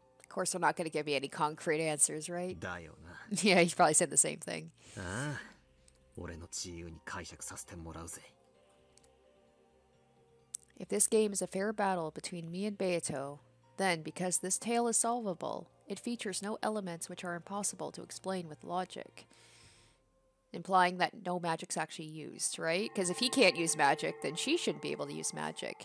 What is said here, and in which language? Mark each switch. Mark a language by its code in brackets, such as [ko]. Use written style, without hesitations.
[en] Of course, we're not going to give you any concrete answers, right? [ja] だよな。 [en] Yeah, he probably said the same thing. [ja] ああ、俺の自由に解釈させてもらうぜ。 [en] If this game is a fair battle between me and Beato, then because this tale is solvable, it features no elements which are impossible to explain with logic. Implying that no magic's actually used, right? Because if he can't use magic, then she shouldn't be able to use magic.